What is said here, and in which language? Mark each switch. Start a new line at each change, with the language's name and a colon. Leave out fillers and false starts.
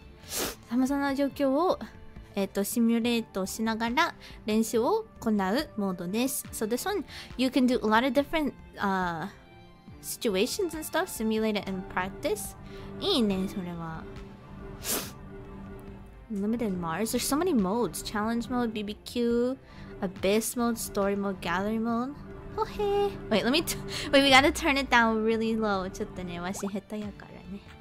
Japanese: さまざまな状況を、シミュレートしながら練習を行うモードです。
English: So this one, you can do a lot of different, situations and stuff, simulate it and practice.
Japanese: いいね、それは。
English: Limited Mars. There's so many modes. Challenge mode, BBQ, Abyss mode, Story mode, Gallery mode. Oh, hey. Wait, let me... Wait, we gotta turn it down really low.
Japanese: ちょっとね、わし下手やからね。